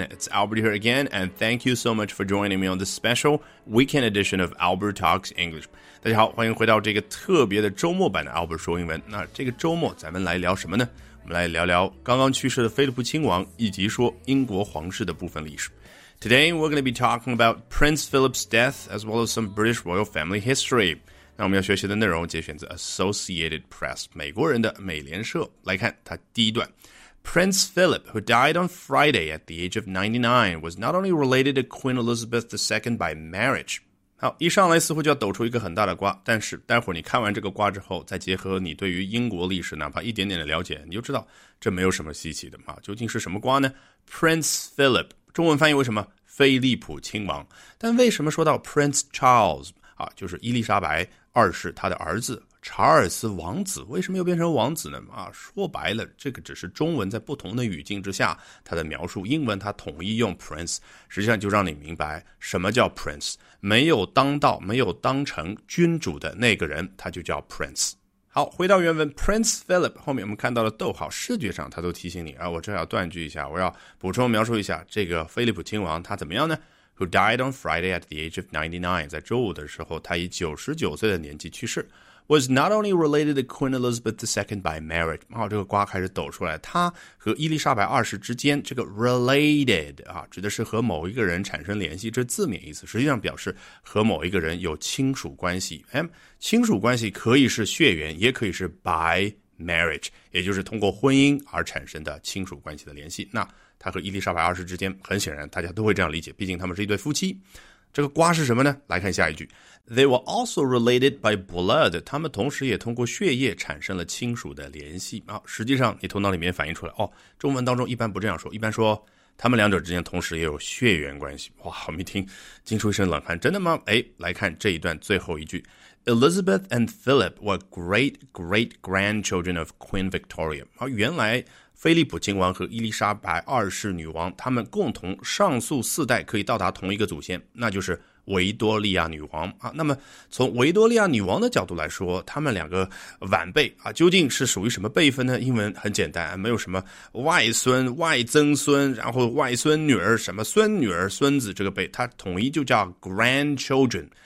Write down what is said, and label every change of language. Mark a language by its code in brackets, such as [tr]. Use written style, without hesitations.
[en] It's Albert here again, and thank you so much for joining me on this special weekend edition of Albert Talks English. [zh] 大家好，欢迎回到这个特别的周末版的 Albert 说英文。那这个周末咱们来聊什么呢？我们来聊聊刚刚去世的菲利普亲王，以及说英国皇室的部分历史。 [en] Today, we're going to be talking about Prince Philip's death, as well as some British royal family history. [zh] 那我们要学习的内容节选自 Associated Press, 美国人的美联社。来看它第一段。 [en] Prince Philip, who died on Friday at the age of 99, was not only related to Queen Elizabeth II by marriage. [zh] 好，一上来似乎就要抖出一个很大的瓜，但是待会儿你看完这个瓜之后，再结合你对于英国历史哪怕一点点的了解，你就知道这没有什么稀奇的嘛。究竟是什么瓜呢？ Prince Philip, 中文翻译为什么？菲利普亲王。但为什么说到 Prince Charles, 啊，就是伊丽莎白二世他的儿子。查尔斯王子为什么又变成王子呢？啊，说白了，这个只是中文在不同的语境之下它的描述。英文它统一用 prince， 实际上就让你明白什么叫 prince。没有当道、没有当成君主的那个人，他就叫 prince。好，回到原文 ，Prince Philip 后面我们看到了逗号，视觉上它都提醒你啊，我这要断句一下，我要补充描述一下这个菲利普亲王他怎么样呢？ [en] Who died on Friday at the age of 99, [zh] 在周五的时候他以99岁的年纪去世 [en] was not only related to Queen Elizabeth II by marriage. [zh] 好，这个瓜开始抖出来，他和伊丽莎白二世之间这个 related 啊，指的是和某一个人产生联系，这字面意思实际上表示和某一个人有亲属关系。亲属关系可以是血缘，也可以是 [en] by marriage， [zh] 也就是通过婚姻而产生的亲属关系的联系。那他和伊丽莎白二世之间，很显然大家都会这样理解，毕竟他们是一对夫妻。这个瓜是什么呢？来看下一句。 [en] They were also related by blood. [zh] 他们同时也通过血液产生了亲属的联系。啊，实际上你头脑里面反映出来，哦，中文当中一般不这样说，一般说他们两者之间同时也有血缘关系。哇，我们一听惊出一身冷汗，真的吗？哎，来看这一段最后一句。 [en] Elizabeth and Philip were great-great-grandchildren of Queen Victoria. [zh] 啊，原来菲利普亲王和伊丽莎白二世女王，他们共同上溯四代可以到达同一个祖先，那就是维多利亚女王啊。那么从维多利亚女王的角度来说，他们两个晚辈啊，究竟是属于什么辈分呢？英文很简单，没有什么外孙、外曾孙，然后外孙女儿、什么孙女儿、孙子这个辈，它统一就叫 grandchildren。